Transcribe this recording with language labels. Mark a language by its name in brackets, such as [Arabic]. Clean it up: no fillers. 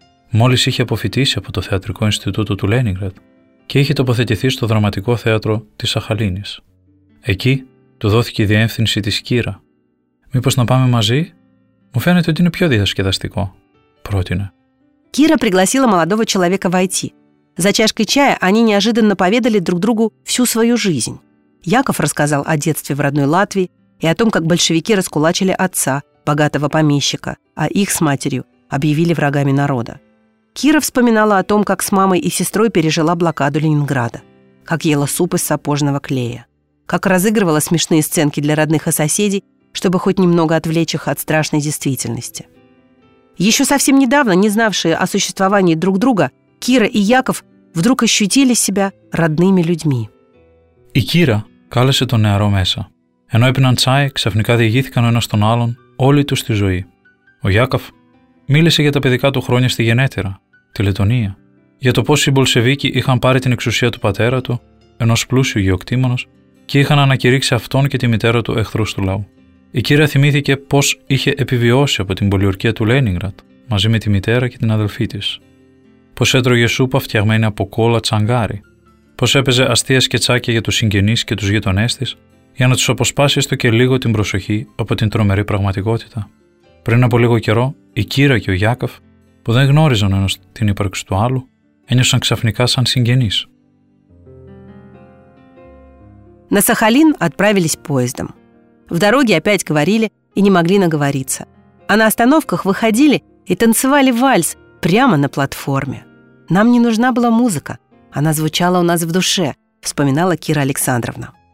[Greek] Μόλις είχε αποφοιτήσει από το Θεατρικό Ινστιτούτο του Λένιγκραντ και είχε τοποθετηθεί στο Δραματικό Θέατρο της Σαχαλίνης. Εκεί του δόθηκε η διεύθυνση της Κύρα. «Μήπως να πάμε μαζί? Μου φαίνεται ότι είναι πιο διασκεδαστικό», πρότεινε. [Russian] Кира пригласила молодого человека войти. За чашкой чая они неожиданно поведали друг другу всю свою жизнь. Яков рассказал о детстве в родной Латвии и о том, как большевики раскулачили отца, богатого помещика, а их с матерью объявили врагами народа. Кира вспоминала о том, как с мамой и сестрой пережила блокаду Ленинграда, как ела суп из сапожного клея, как разыгрывала смешные сценки для родных и соседей, чтобы хоть немного отвлечь их от страшной действительности. Еще совсем недавно, не знавшие о существовании друг друга, Кира и Яков вдруг ощутили себя родными людьми. И [Greek] Кира кάλεσε τον νεαρό μέσα. Ενώ έπιναν τσάι, ξαφνικά διηγήθηκαν ο ένας τον άλλον όλη τους τη ζωή. Ο Γιάκοφ μίλησε για τα παιδικά του χρόνια στη Γενέτειρα, τη Λετωνία, για το πώς οι Μπολσεβίκοι είχαν πάρει την εξουσία του πατέρα του, ενός πλούσιου γεωκτήμονος, και είχαν ανακηρύξει αυτόν και τη μητέρα του εχθρούς του λαού. Η Κύρα θυμήθηκε πώς είχε επιβιώσει από την πολιορκία του Λένιγκραντ μαζί με τη μητέρα και την αδελφή της. Πώς έτρωγε σούπα φτιαγμένη από κόλλα τσαγκάρι. Πώς έπαιζε αστεία σκετσάκια για τους συγγενείς και τους γειτονές της για να τους αποσπάσει έστω και λίγο την προσοχή από την τρομερή πραγματικότητα. Πριν από λίγο καιρό, η Κύρα και ο Γιάκοφ, που δεν γνώριζαν ένας την ύπαρξη του άλλου, ένιωσαν ξαφνικά σαν συγγενείς. [Russian] На Сахалин отправились поездом. В дороге опять говорили и не могли наговориться. А на остановках выходили и танцевали вальс прямо на платформе. «Нам не нужна была музыка. Она звучала у нас в душе», — вспоминала Кира Александровна.